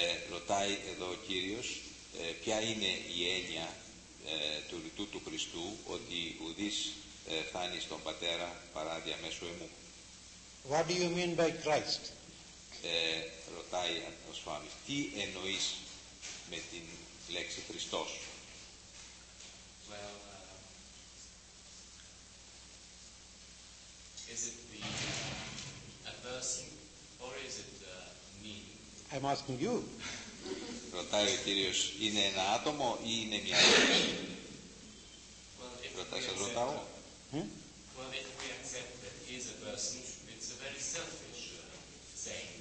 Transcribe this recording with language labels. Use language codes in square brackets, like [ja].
[el] Ρωτάει εδώ ο Κύριος ποια είναι η έννοια του ρητού του Χριστού ότι ουδείς φτάνει στον Πατέρα παρά διαμέσου εμού. [en] What do you mean by Christ? [el] Ρωτάει ο Σφάμις, τι εννοείς με την λέξη Χριστός? [en] Well, is it the addressing or is it the meaning? I'm asking you. [el] Ρωτάει ο Κύριος, είναι ένα άτομο ή είναι μια έννοια? [en] Well, [el] ρωτάει, σας ρωτάω. [en] Well, if we accept that he is a person, it's a very selfish saying.